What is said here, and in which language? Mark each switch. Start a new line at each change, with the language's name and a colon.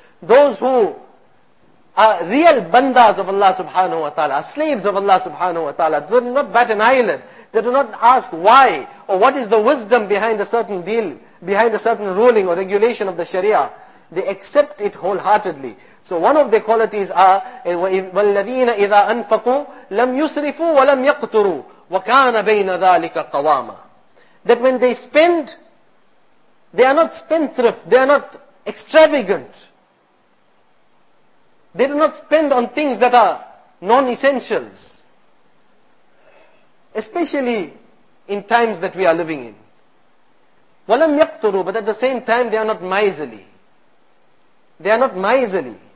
English: Those who are real bandas of Allah subhanahu wa ta'ala, are slaves of Allah subhanahu wa ta'ala. They do not bat an eyelid. They do not ask why or what is the wisdom behind a certain deal, behind a certain ruling or regulation of the Sharia. They accept it wholeheartedly. So one of the qualities are,
Arabic: وَالَّذِينَ إِذَا أَنفَقُوا لَمْ يُسْرِفُوا وَلَمْ يَقْتُرُوا وَكَانَ بَيْنَ ذَٰلِكَ قَوَامًا.
English: That when they spend, they are not spendthrift, they are not extravagant. They do not spend on things that are non-essentials. Especially in times that we are living in.
Arabic: وَلَمْ يَقْتُرُوا,
English: but at the same time they are not miserly. They are not miserly.